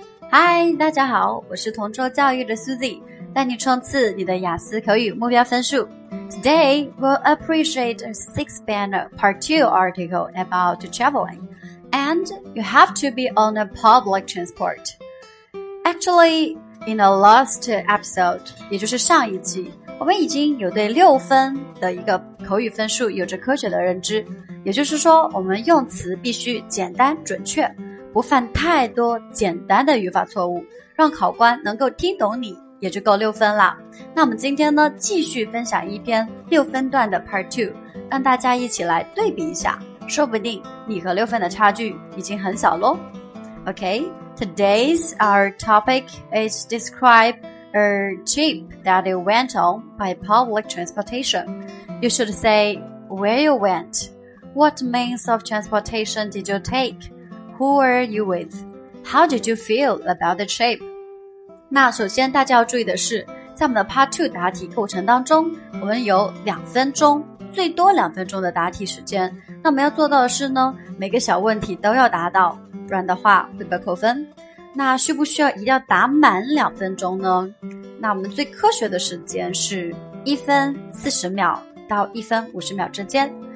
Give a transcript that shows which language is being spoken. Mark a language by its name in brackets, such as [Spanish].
[Chinese] Hi, 大家好，我是同桌教育的 Suzy, 带你冲刺你的雅思口语目标分数。 [English] Today, we'll appreciate a six banner part 2 article about traveling, and you have to be on a public transport. Actually, in the last episode, [Chinese] 也就是上一期，我们已经有对六分的一个口语分数有着科学的认知，也就是说我们用词必须简单准确，不犯太多简单的语法错误，让考官能够听懂你也就够六分了。那我们今天呢，继续分享一篇六分段的 part 2, 让大家一起来对比一下，说不定你和六分的差距已经很小咯。 [English] OK, today's our topic is describeA trip that you went on by public transportation. You should say where you went, what means of transportation did you take, who were you with, how did you feel about the trip? [Chinese] 那首先大家要注意的是，在我们的 part 2答题构成当中，我们有两分钟，最多两分钟的答题时间。那我们要做到的是呢，每个小问题都要答到，不然的话会被扣分。那需不需要一定要答满两分钟呢？那我们最科学的时间是1分40秒到1分50秒之间。